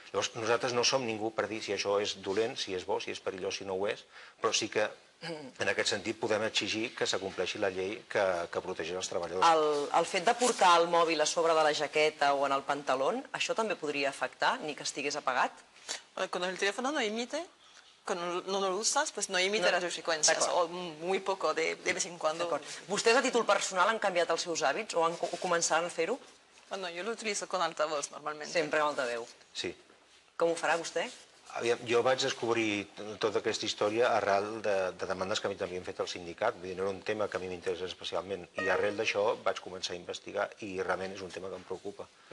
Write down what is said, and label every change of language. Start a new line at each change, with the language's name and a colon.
Catalan: Llavors, nosaltres no som ningú per dir si això és dolent, si és bo, si és perillós, si no ho és, però sí que en aquest sentit podem exigir que s'acompleixi la llei que protegeix els treballadors. El fet de portar el mòbil a sobre de la jaqueta o en el pantalón, això també podria afectar, ni que estigués apagat?
Spanish: Cuando el teléfono no emite, cuando no lo usas, pues no emite radiofrecuencias, o muy poco, de vez en cuando.
Catalan: ¿Vostès a títol personal han canviat els seus hàbits o començaran a fer-ho?
Spanish: Bueno, yo lo utilizo con altavoz, normalmente.
Catalan: Sempre amb altaveu. Sí. Com ho farà vostè? Aviam, jo vaig descobrir tota aquesta història arrel de demandes que a mi també hem fet al sindicat. Vull dir, no era un tema que a mi m'interessa especialment. I arrel d'això vaig començar a investigar i realment és un tema que em preocupa.